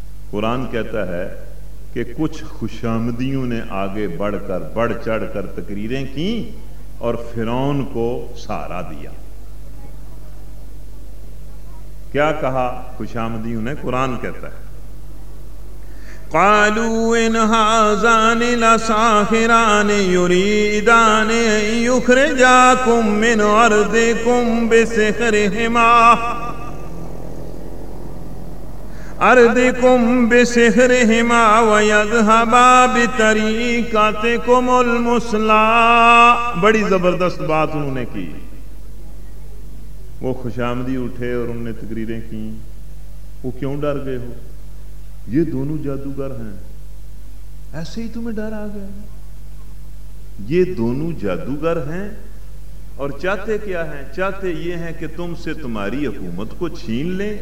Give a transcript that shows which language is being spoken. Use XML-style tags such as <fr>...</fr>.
<ur>قرآن کہتا ہے کہ کچھ خوشامدیوں نے آگے بڑھ چڑھ کر تقریریں کیں اور فرعون کو سہارا دیا. کیا کہا خوشامدیوں نے؟ قرآن کہتا ہے</ur> <ar>قالوا ان هذان لساحران يريدان ان يخرجاكم من ارضكم بسحرهما ويذهبا بطريقتكم المسلا.</ar> <ur>بڑی زبردست بات انہوں نے کی. وہ خوش آمدی اٹھے اور انہوں نے تقریریں کی. وہ کیوں ڈر گئے ہو؟ یہ دونوں جادوگر ہیں، ایسے ہی تمہیں ڈر آ گیا؟ یہ دونوں جادوگر ہیں اور چاہتے کیا ہیں؟ چاہتے یہ ہیں کہ تم سے تمہاری حکومت کو چھین لیں.</ur>